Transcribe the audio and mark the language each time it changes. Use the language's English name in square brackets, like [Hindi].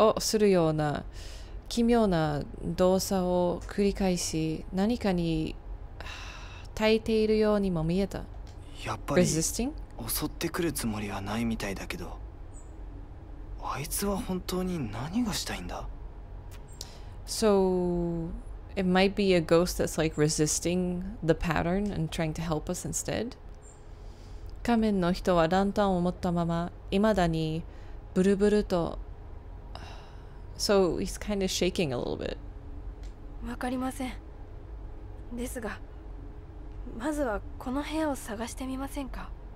[Japanese] をするような奇妙な動作を繰り返し、何かに耐えているようにも見えた。やっぱり [English] Resisting? [Japanese] 襲ってくるつもりはないみたいだけど、あいつは本当に何がしたいんだ。 [English] So it might be a ghost that's like resisting the pattern and trying to help us instead. [Japanese] 仮面の人はランタンを持ったまま、いまだにブルブルと。 [English] So he's kind of shaking a little bit. [Japanese] わかりません。ですが、まずはこの部屋を探してみませんか。